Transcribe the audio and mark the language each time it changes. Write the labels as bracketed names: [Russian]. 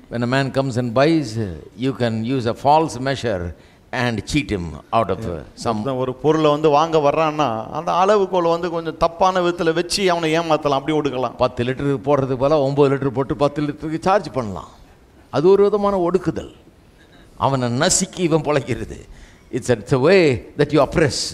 [English] When a man comes and buys, you can use a false measure and cheat him out of some [Tamil] ஒரு பொருளை வந்து வாங்க வர்றானா அந்த அளவுக்குள்ள வந்து கொஞ்சம் தப்பான விதத்தில் வச்சு அவனை ஏமாத்தலாம். அப்படி ஒடுக்கலாம். 10 லிட்டர் போடுறது போல 9 லிட்டர் போட்டு 10 லிட்டருக்கு சார்ஜ் பண்ணலாம். அது ஒரு விதமான ஒடுக்குதல். அவனை நசுக்கி இவன் பிழைக்கிறது. [English] It's a way that you oppress.